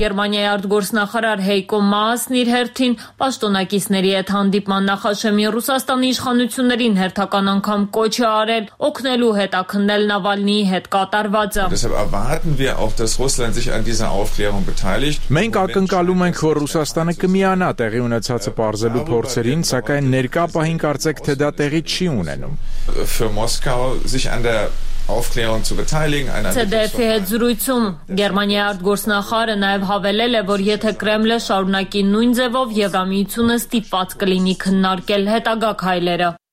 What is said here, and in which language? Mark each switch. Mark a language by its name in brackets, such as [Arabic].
[Armenian] Գերմանիայի արտգործնախարար Հեյկո Մաասն իր հերթին պաշտոնակիցների հետ հանդիպման նախաշեմի Ռուսաստանի իշխանություններին հերթական անգամ կոչ է արել օգնելու հետաքննել Նավալնիի հետ կատարվածը։ [German] Deshalb erwarten wir auch, dass Russland sich an dieser Aufklärung beteiligt. [Armenian] Մենք ակնկալում ենք, որ Ռուսաստանը կմիանա տեղի ունեցածը պարզելու փորձերին, սակայն ներկա պահին կարծեք, թե դա տեղի չի ունենում։ [German] Für Moskau sich an der Aufklärung zu beteiligen [Armenian] einer ZDF զրույցում Գերմանիայի արտգործնախարարը նաև հավելել է, որ եթե Կրեմլը շարունակի նույն ձևով Եվրամիությունը ստիպած կլինի քննարկել հետագա քայլերը։